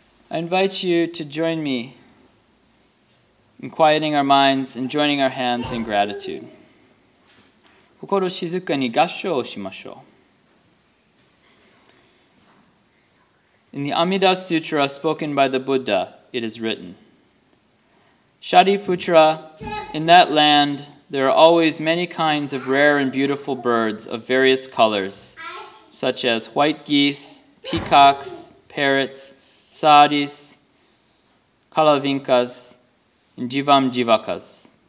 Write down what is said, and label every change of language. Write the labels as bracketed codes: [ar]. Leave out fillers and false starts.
[en] I invite you to join me in quieting our minds and joining our hands in gratitude. [ja] 心を静かに合掌をしましょう。 [en] In the Amida Sutra spoken by the Buddha, it is written, Shariputra, in that land there are always many kinds of rare and beautiful birds of various colors, such as white geese, peacocks, parrots, saris, kalavinkas, and jivamjivakas.